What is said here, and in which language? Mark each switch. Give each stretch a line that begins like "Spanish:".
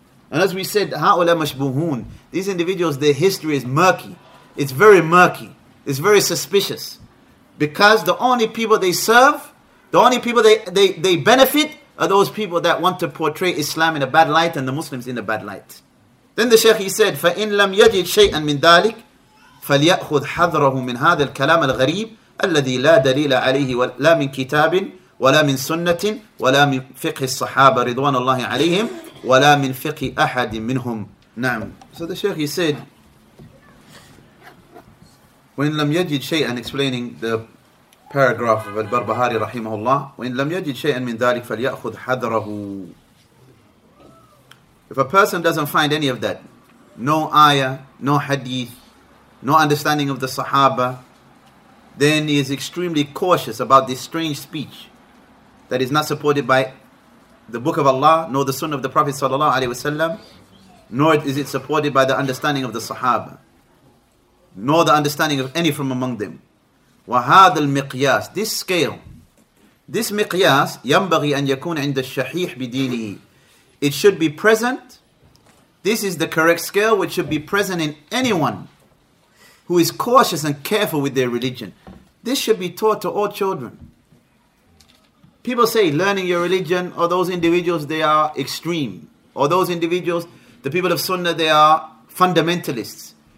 English: And as we said,
Arabic: هؤلاء مشبوهون.
English: These individuals, their history is murky. It's very murky. It's very suspicious. Because the only people they serve, the only people they benefit, are those people that want to portray Islam in a bad light and the Muslims in a bad light. Then the Shaykh, he said,
Arabic: فَإِن لَمْ يَجِدْ شَيْئًا مِنْ ذَلِكَ فَلْيَأْخُذْ حَذْرَهُ مِنْ هَذَا الْكَلَامَ الْغَرِيبِ الَّذِي لَا دَلِيلَ عَلَيْهِ وَلَا مِنْ كِتَابٍ وَلَا مِنْ سُنَّةٍ وَلَا مِنْ فِقْهِ الصَّحَابَ رِضْوَانَ اللَّهِ عَلَيْهِمْ وَلَا مِنْ فِقْهِ أَحَدٍ مِنْهُمْ. نعم.
English: So the Shaykh, he said,
Arabic: وَإِن لَمْ يَجِدْ شَيْئًا,
English: explaining the paragraph of Al-Barbahari rahimahullah,
Arabic: وَإِن لَمْ يَجِدْ شَيْئًا مِنْ ذَلِكَ فَلْيَأْخُذْ حَذْرَهُ.
English: If a person doesn't find any of that, no ayah, no hadith, no understanding of the Sahaba, then he is extremely cautious about this strange speech that is not supported by the Book of Allah, nor the Sunnah of the Prophet sallallahu alaihi wasallam, nor is it supported by the understanding of the Sahaba, nor the understanding of any from among them.
Arabic: وَهَذَا الْمِقْيَاسِ,
English: this scale, this
Arabic: مِقْيَاسِ يَنْبَغِي أَنْ يَكُونَ عِنْدَ الشَّحِيحِ بِدِينِهِ,
English: it should be present. This is the correct scale which should be present in anyone who is cautious and careful with their religion. This should be taught to all children. People say learning your religion, or those individuals, they are extreme. Or those individuals, the people of Sunnah, they are fundamentalists.